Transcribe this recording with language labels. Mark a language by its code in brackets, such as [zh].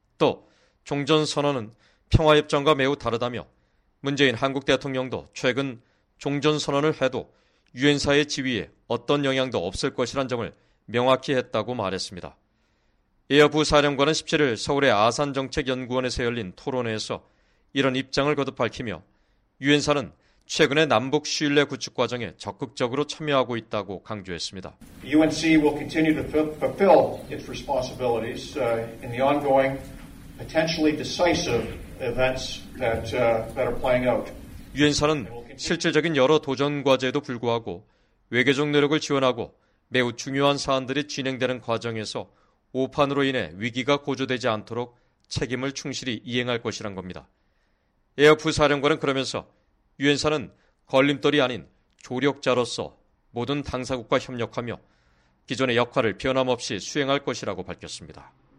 [ko] 또 종전선언은 평화협정과 매우 다르다며 문재인 한국 대통령도 최근 종전선언을 해도 유엔사의 지위에 어떤 영향도 없을 것이란 점을 명확히 했다고 말했습니다. 에어 부사령관은 17일 서울의 아산정책연구원에서 열린 토론회에서 이런 입장을 거듭 밝히며 유엔사는 최근의 남북 신뢰 구축 과정에 적극적으로 참여하고 있다고 강조했습니다. [en] UNC will continue to fulfill its responsibilities in the ongoing potentially decisive events that are playing out. [ko] 유엔사는 실질적인 여러 도전 과제에도 불구하고 외교적 노력을 지원하고 매우 중요한 사안들이 진행되는 과정에서 오판으로 인해 위기가 고조되지 않도록 책임을 충실히 이행할 것이란 겁니다. 에어 부사령관은 그러면서 유엔사는 걸림돌이 아닌 조력자로서 모든 당사국과 협력하며 기존의 역할을 변함없이 수행할 것이라고 밝혔습니다.